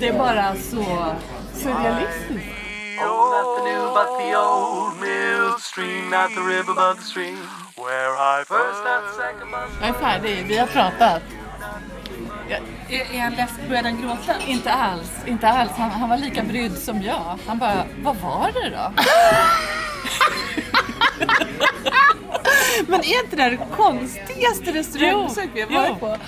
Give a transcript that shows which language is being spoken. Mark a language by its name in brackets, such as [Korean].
[Swedish] det är bara så surrealistiskt. [English] Oh, not the new, but the old mill stream, not the river, but the stream. [Swedish] Jag är färdig, vi har pratat. Är han läst, börjar han gråta? Inte alls, inte alls. Han var lika brydd som jag. Han bara, vad var det då? Men är inte det här det konstigaste restaurangbesök vi har varit på?